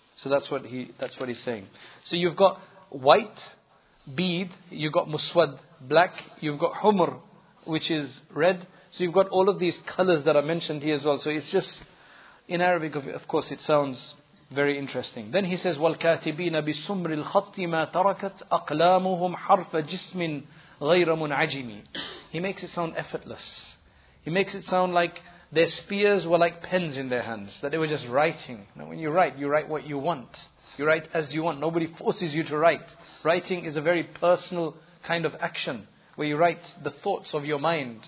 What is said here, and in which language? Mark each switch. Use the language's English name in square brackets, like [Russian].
[English] So that's what he's saying. So you've got white, bead, you've got muswad, black, you've got humr, which is red. So you've got all of these colors that are mentioned here as well. So it's just, in Arabic, of course, it sounds very interesting. Then he says, [Arabic] وَالْكَاتِبِينَ بِسُمْرِ الْخَطِّ مَا تَرَكَتْ أَقْلَامُهُمْ حَرْفَ جِسْمٍ غَيْرَ مُنْعَجِمِ. [English] He makes it sound effortless. He makes it sound like their spears were like pens in their hands, that they were just writing. Now when you write what you want. You write as you want. Nobody forces you to write. Writing is a very personal kind of action, where you write the thoughts of your mind.